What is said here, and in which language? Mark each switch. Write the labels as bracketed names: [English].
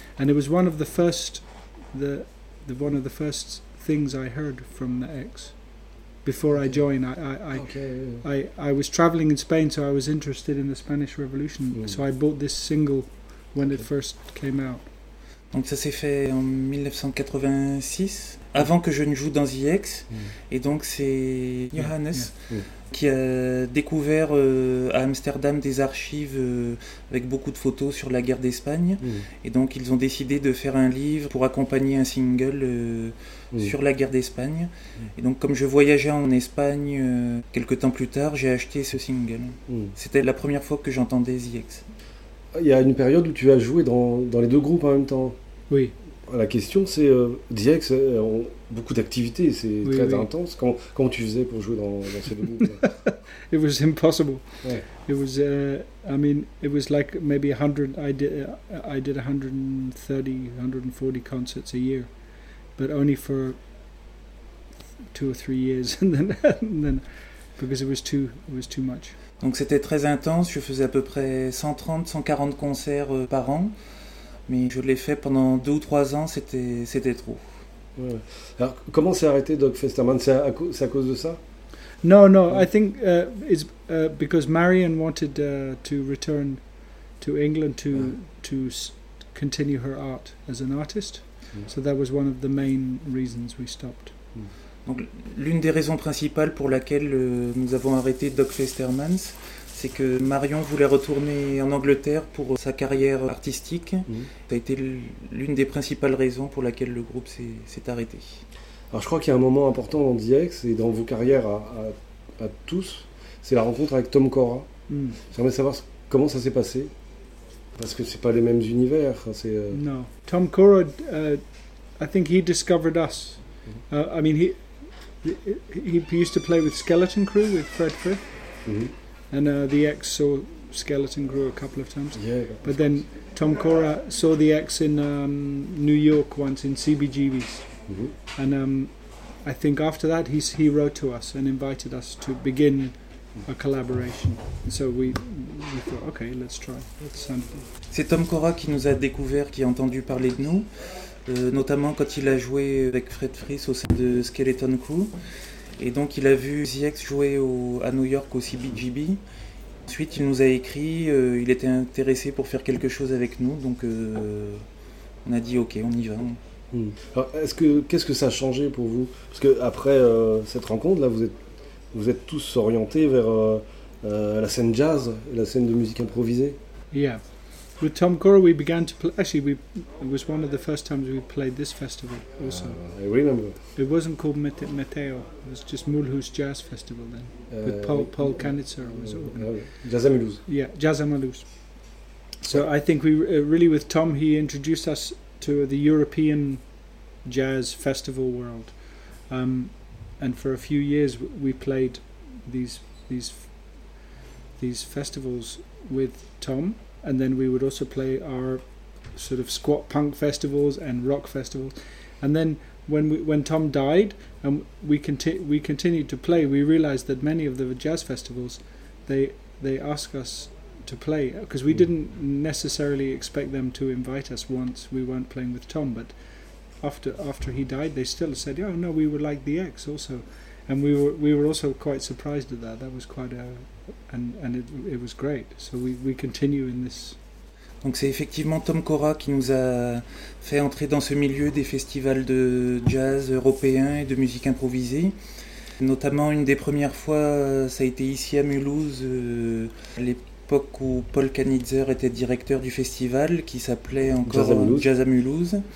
[English] And it was one of the first, one of the first things I heard from the ex. Before I joined, I was traveling in Spain, so I was interested in the Spanish Revolution. Mm. So I bought this single when it first came out. [French] Donc ça s'est fait en 1986, avant que je ne joue dans ZX. Mm. Et donc c'est Johannes qui a découvert à Amsterdam des archives avec beaucoup de photos sur la guerre d'Espagne. Mm. Et donc ils ont décidé de faire un livre pour accompagner un single sur la guerre d'Espagne. Mm. Et donc comme je voyageais en Espagne quelques temps plus tard, j'ai acheté ce single. Mm. C'était la première fois que j'entendais ZX. Il y a une période où tu as joué dans les deux groupes en même temps. Oui. La question, c'est, DX, beaucoup d'activités, c'est intense. Comment tu faisais pour jouer dans ces deux groupes? [English] It was impossible. Ouais. It was, I mean, it was like maybe 100, I did 130, 140 concerts a year, but only for 2 or 3 years, and then, because it was too much. [French] Donc c'était très intense, je faisais à peu près 130, 140 concerts par an, mais je l'ai fait pendant 2 ou 3 ans, c'était trop. Ouais. Alors comment s'est arrêté Dogface Hummers? C'est à cause de ça? [English] No, I think it's because Marion wanted to return to England to continue her art as an artist. Mm. So that was one of the main reasons we stopped. Mm. [French] Donc, l'une des raisons principales pour laquelle nous avons arrêté Dogface Hummers, c'est que Marion voulait retourner en Angleterre pour sa carrière artistique. Mmh. Ça a été l'une des principales raisons pour laquelle le groupe s'est arrêté. Alors, je crois qu'il y a un moment important dans DX et dans vos carrières à tous, c'est la rencontre avec Tom Cora. Mmh. J'aimerais savoir comment ça s'est passé, parce que c'est pas les mêmes univers. Non. [English] Tom Cora, I think he discovered us. I mean, he used to play with Skeleton Crew with Fred Frith, and the X saw Skeleton Crew a couple of times. Yeah, but then Tom Cora saw the X in New York once in CBGB's, and I think after that he wrote to us and invited us to begin a collaboration. And so we thought, okay, let's try. [French] C'est Tom Cora qui nous a découvert, qui a entendu parler de nous. Notamment quand il a joué avec Fred Frith au sein de Skeleton Crew. Et donc il a vu ZX jouer à New York au CBGB. Ensuite il nous a écrit, il était intéressé pour faire quelque chose avec nous. Donc on a dit ok, on y va. Alors, qu'est-ce que ça a changé pour vous? Parce qu'après cette rencontre, là vous êtes tous orientés vers la scène jazz, la scène de musique improvisée. [English] Yeah. With Tom Cora, we began to play. Actually, it was one of the first times we played this festival. Also, I remember. It wasn't called Meteo. It was just Mulhouse Jazz Festival then, with Paul Kanitzer was organizing. [French] Jazz à Mulhouse. [English] Yeah, Jazz à Mulhouse. So I think we really with Tom, he introduced us to the European jazz festival world, and for a few years we played these festivals with Tom. and then we would also play our sort of squat punk festivals and rock festivals. And then when Tom died and we continued to play, we realized that many of the jazz festivals, they ask us to play, because we didn't necessarily expect them to invite us once we weren't playing with Tom, but after he died, they still said, "Oh no, we would like the X also," and we were also quite surprised at that. That was quite a, and it was great. So we continue in this. [French] Donc c'est effectivement Tom Cora qui nous a fait entrer dans ce milieu des festivals de jazz européens et de musique improvisée. Notamment une des premières fois, ça a été ici à Mulhouse, à l'époque où Paul Kanitzer était directeur du festival, qui s'appelait encore Jazz à Mulhouse.